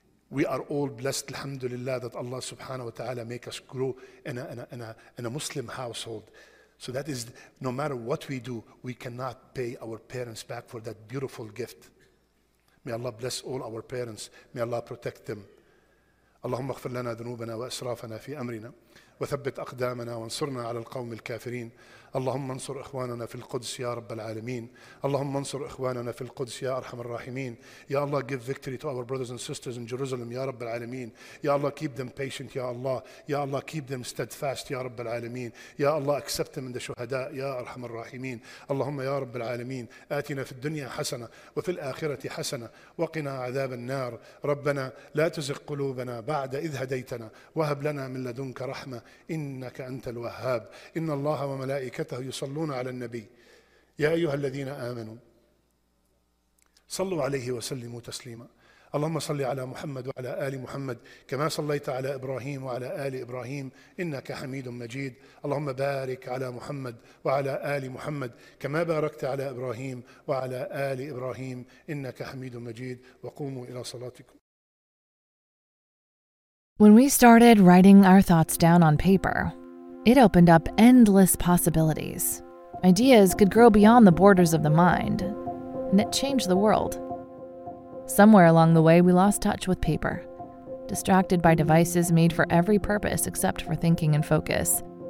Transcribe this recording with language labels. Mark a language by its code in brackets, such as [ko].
[en] We are all blessed, alhamdulillah, that Allah subhanahu wa ta'ala make us grow in a Muslim household. So that is, no matter what we do, we cannot pay our parents back for that beautiful gift. May Allah bless all our parents. May Allah protect them. [ar] اللهم اغفر لنا ذنوبنا وأسرافنا في أمرنا وثبت أقدامنا وانصرنا على القوم الكافرين. اللهم انصر إخواننا في القدس يا رب العالمين. اللهم انصر إخواننا في القدس يا أرحم الراحمين. يا الله, [en] give victory to our brothers and sisters in Jerusalem [ar] يا رب العالمين. يا الله, [en] keep them patient [ar] يا الله. يا الله, [en] keep them steadfast [ar] يا رب العالمين. يا الله, [en] accept them in the [ar] شهداء يا أرحم الراحمين. اللهم يا رب العالمين, آتنا في الدنيا حسنة وفي الآخرة حسنة وقنا عذاب النار. ربنا لا تزغ قلوبنا بعد إذ هديتنا وهب لنا من لدنك رحمة إنك أنت الوهاب. إن الله وملائكته يصلون على النبي يا أيها الذين آمنوا صلوا عليه وسلموا تسليما. اللهم صل على محمد وعلى آل محمد كما صليت على إبراهيم وعلى آل إبراهيم إنك حميد مجيد. اللهم بارك على محمد وعلى آل محمد كما باركت على إبراهيم وعلى آل إبراهيم إنك حميد مجيد. وقوموا إلى صلاتكم. [en] When we started writing our thoughts down on paper, it opened up endless possibilities. Ideas could grow beyond the borders of the mind, and it changed the world. Somewhere along the way, we lost touch with paper, distracted by devices made for every purpose except for thinking and focus.